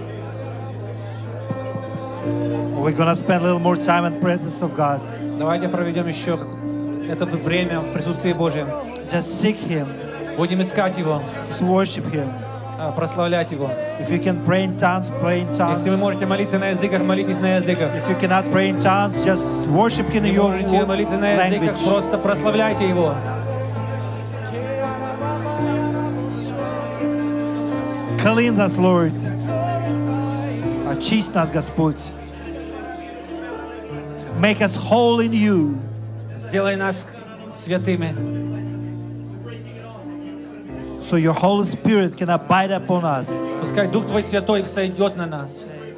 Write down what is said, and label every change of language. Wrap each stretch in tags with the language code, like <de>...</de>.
<en>We're going to spend a little more time in the presence of God.</en> <ru>Давайте проведём ещё это время в присутствии Божьем.</ru> <en>Just seek him.</en> <ru>Будем искать его.</ru> <en>Just worship him.</en> <ru>Прославлять его.</ru> <en>If you can pray in tongues, pray in tongues.</en> <ru>Если вы можете молиться на языках, молитесь на языках.</ru> <en>If you cannot pray in tongues, just worship him in your language.</en> <ru>Если вы можете молиться на языках, просто прославляйте его.</ru> <en>Clean us, Lord.</en> <ru>Очисти нас, Господь.</ru> <en>Make us whole in you.</en> <ru>Сделай нас святыми.</ru> <en>So your Holy Spirit can abide upon us.</en> <ru>Пускай Дух Твой Святой сойдёт на нас.</ru>